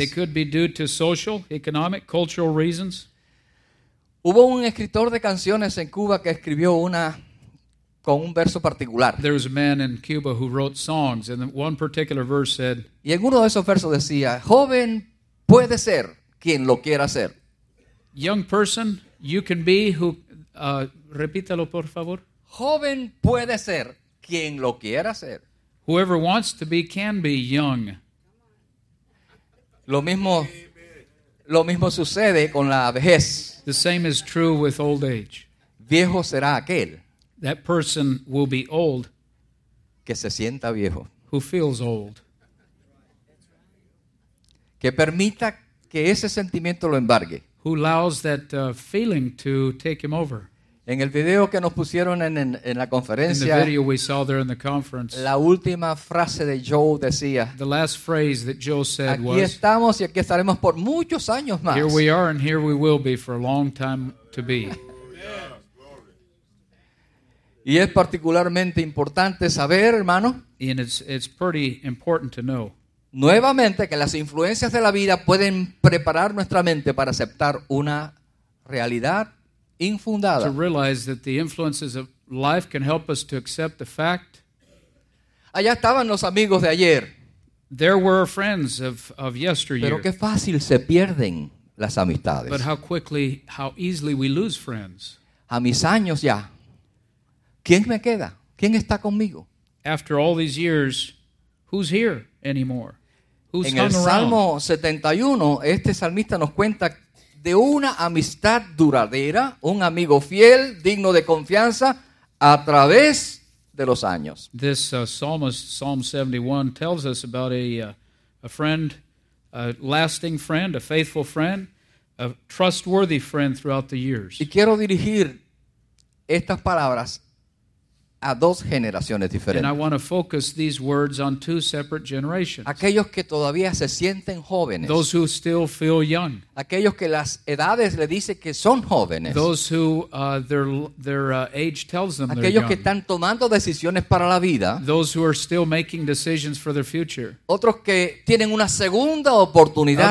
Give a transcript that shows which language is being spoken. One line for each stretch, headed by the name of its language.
English: It could be due to social, economic, cultural reasons.
Spanish: Hubo un escritor de canciones en Cuba que escribió una con un verso particular.
English: There was a man in Cuba who wrote songs, and one particular verse said.
Spanish: Y en uno de esos versos decía, joven puede ser quien lo quiera ser.
English: Young person, you can be who,
Spanish: repítalo por favor. Joven puede ser quien lo quiera ser.
English: Whoever wants to be can be young.
Spanish: Lo mismo sucede con la vejez.
English: The same is true with old age.
Spanish: Viejo será aquel.
English: That person will be old.
Spanish: Que se sienta viejo.
English: Who feels old.
Spanish: Que permita que ese sentimiento lo embargue.
English: Who allows that feeling to take him over.
Spanish: En el video que nos pusieron en la conferencia,
English: in the video we saw there in the conference,
Spanish: la última frase de Joe decía,
English: the last phrase that Joe said
Spanish: aquí
English: was,
Spanish: estamos y aquí estaremos por muchos años más.
English: Here we are and here we will be for a long time to be.
Spanish: Y es particularmente importante saber, hermano,
English: and it's pretty important to know,
Spanish: nuevamente que las influencias de la vida pueden preparar nuestra mente para aceptar una realidad infundada.
English: To realize that the influences of life can help us to accept the fact.
Spanish: Allá estaban los amigos de ayer.
English: There were friends of yesteryear.
Spanish: Pero qué fácil se pierden las amistades.
English: But how easily we lose friends.
Spanish: A mis años ya. ¿Quién me queda? ¿Quién está conmigo?
English: After all these years, who's here anymore? Who's
Spanish: en el Salmo 71, este salmista nos cuenta de una amistad duradera, un amigo fiel, digno de confianza, a través de los años.
English: This psalmist, Psalm 71, tells us about a friend, a lasting friend, a faithful friend, a trustworthy friend throughout the years.
Spanish: Y quiero dirigir estas palabras a dos generaciones diferentes.
English: And I want to focus these words on two separate generations.
Spanish: Aquellos que todavía se sienten jóvenes.
English: Those who still feel young.
Spanish: Aquellos que las edades le dice que son jóvenes.
English: Those who their age tells them
Spanish: aquellos
English: they're young.
Spanish: Que están tomando decisiones para la vida.
English: Those who are still making decisions for their future.
Spanish: Otros que tienen una segunda oportunidad